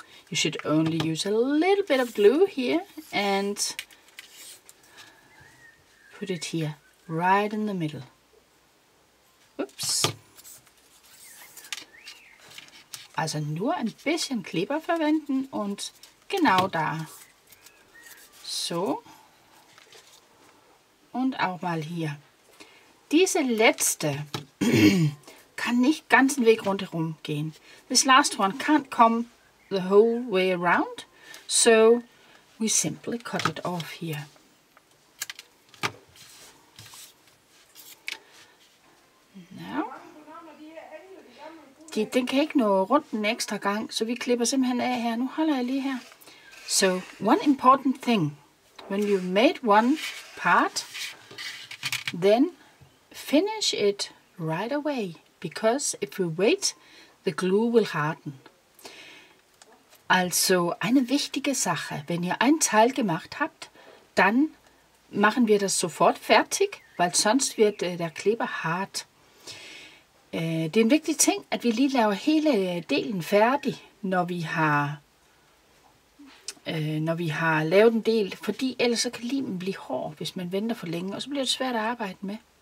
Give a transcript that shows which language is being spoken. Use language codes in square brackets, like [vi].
[en] You should only use a little bit of glue here and put it here, right in the middle. Oops. [de] Altså nur ein bisschen Kleber verwenden und genau da. So. Und auch mal hier. Diese letzte kann nicht ganzen Weg rundherum gehen. [en] This last one can't come the whole way around. So we simply cut it off here. Now. [da] Den kan ikke nå rundt den ekstra gang, så vi klipper simpelthen af her. Nu holder jeg lige her. [en] So, one important thing, when you've made one part, then finish it right away, because if you wait, the glue will harden. [de] Also, eine wichtige Sache, wenn ihr einen Teil gemacht habt, dann machen wir das sofort fertig, weil sonst wird der Kleber hart. [da] Det er en vigtig ting, at vi lige laver hele delen færdig, når vi har... Når vi har lavet en del, fordi ellers så kan limen blive hård, hvis man venter for længe, og så bliver det svært at arbejde med.